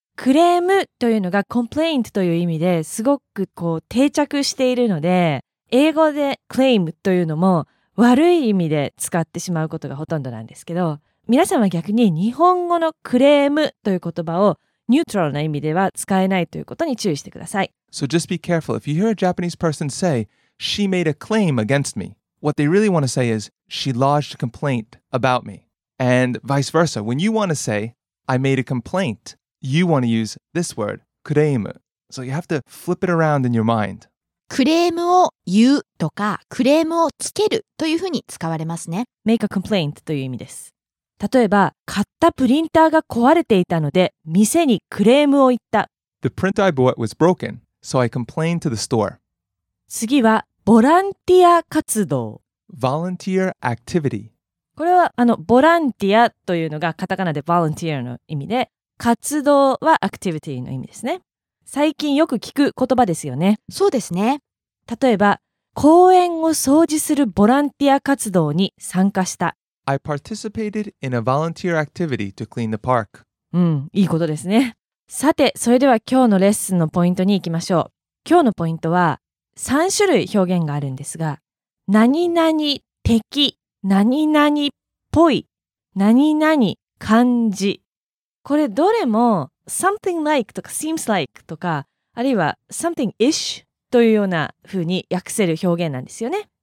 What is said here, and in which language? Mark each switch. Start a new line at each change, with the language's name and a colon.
Japanese: クレームというのが complaint という意味ですごくこう定着しているので、英語で claim というのも悪い意味で使ってしまうことがほとんどなんですけど、皆さんは逆に日本語のクレームという言葉をニュートラルな意味では使えないということに注意してください。
English: So just be careful. If you hear a Japanese person say she made a claim against meWhat they really want to say is, she lodged a complaint about me. And vice versa. When you want to say, I made a complaint, you want to use this word, クレーム. So you have to flip it around in your mind.
Japanese: クレームを言うとか、クレームをつけるというふうに使われますね。
English: Make a complaint
Japanese: という意味です。例えば、買ったプリンターが壊れていたので、店にクレームを言った。
English: The printer I bought was broken, so I complained to the store.
Japanese: 次は、ボランティア活動。
English: Volunteer activity.
Japanese: これはボランティアというのがカタカナで volunteer の意味で、活動は activity の意味ですね。最近よく聞く言葉ですよね。そうですね。例えば、公園を掃除するボランティア活動に参加した。
English: I participated in a volunteer activity to clean the park.
Japanese: いいことですね。さて、それでは今日のレッスンのポイントに行きましょう。今日のポイントは、3種類表現があるんですが、何々的、何々っぽい、何々感じ。これどれも
English: something like
Japanese: とか
English: seems like
Japanese: とか、あるいは
English: something ish
Japanese: というような風に訳せる表現なんですよね。